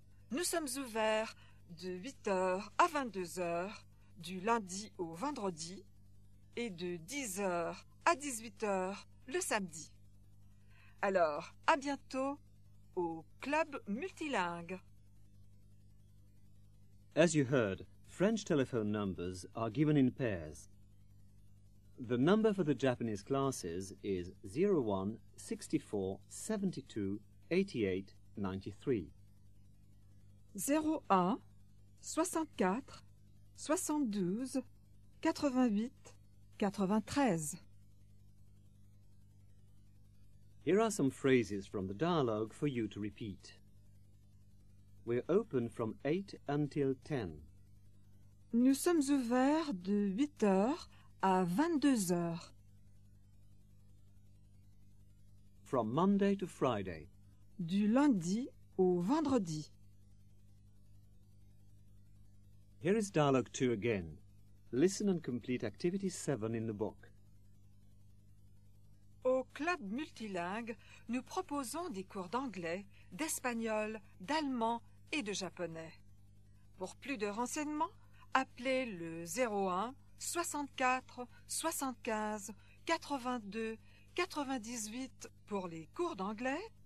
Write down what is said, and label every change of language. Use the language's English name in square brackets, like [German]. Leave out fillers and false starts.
[French] Nous sommes ouverts de 8h à 22h, du lundi au vendredi et de 10h à 18h, le samedi. Alors, à bientôt au Club Multilingue. [English] As you heard, French telephone numbers are given in pairs. The number for the Japanese classes is 01 64 72 88 93. [French] 01 64 72 88 93. [English] Here are some phrases from the dialogue for you to repeat. We're open from 8 until 10. [French] Nous sommes ouverts de 8h à 22h. [English] From Monday to Friday. [French] Du lundi au vendredi. [English] Here is dialogue 2 again. Listen and complete activity 7 in the book. [French] Au club multilingue, nous proposons des cours d'anglais, d'espagnol, d'allemand et de japonais. Pour plus de renseignements, appelez le 01 64 75 82 98 pour les cours d'anglais,